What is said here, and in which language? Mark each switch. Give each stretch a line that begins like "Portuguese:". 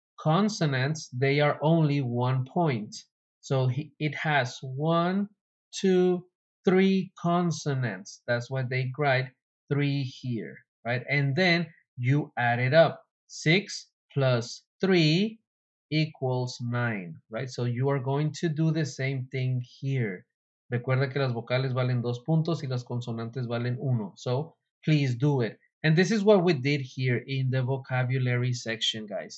English: Consonants, they are only 1 point. So it has 1, 2, 3 consonants. That's why they write 3 here, right? And then you add it up. 6 plus 3 equals 9, right? So you are going to do the same thing here.
Spanish: Recuerda que las vocales valen 2 puntos y las consonantes valen 1.
English: So please do it. And this is what we did here in the vocabulary section, guys.